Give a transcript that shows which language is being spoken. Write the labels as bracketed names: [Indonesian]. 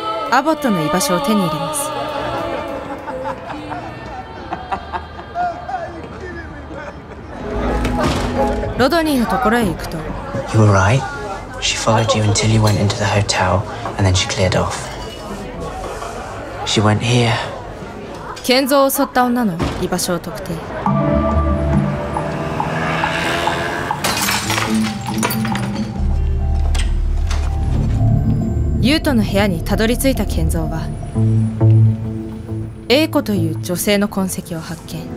[Japanese] アボットの居場所を手に入れます。ロドニーのところへ行くと。 [English] You were right. She followed you until you went into the hotel, and then she cleared off. She went here. [Japanese] 建造を襲った女の居場所を特定。ユートの部屋にたどり着いた建造は、エイコという女性の痕跡を発見。